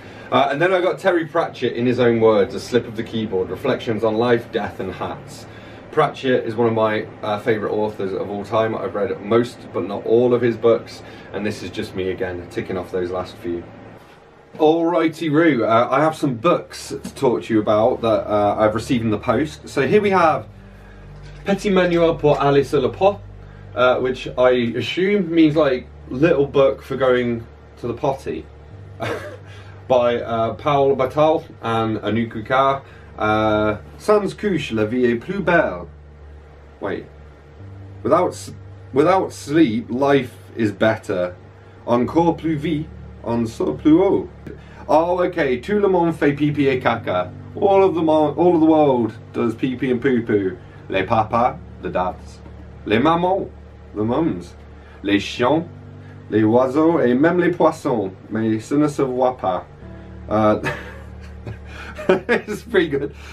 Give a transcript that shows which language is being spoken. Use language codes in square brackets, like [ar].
[en] And then I got Terry Pratchett, In His Own Words, A Slip of the Keyboard, Reflections on Life, Death and Hats. Pratchett is one of my favourite authors of all time. I've read most but not all of his books, and this is just me again, ticking off those last few. Alrighty-roo, I have some books to talk to you about that I've received in the post. So here we have [fr] Petit Manuel pour aller sur le pot. [en] Which I assume means like little book for going to the potty by Paul Batal and Anouk. [fr] Sans couche, la vie est plus belle. [en] Wait, without sleep, life is better. [fr] Encore plus vie, en saut plus haut. [en] Oh, okay, [fr] tout le monde fait pipi et caca. [en] All of the world does pipi and poo poo. [fr] Les papas, [en] the dads. [fr] Les mamans, [en] the mums, [fr] les chiens, les oiseaux, et même les poissons, mais ça ne se voit pas. [en] It's pretty good.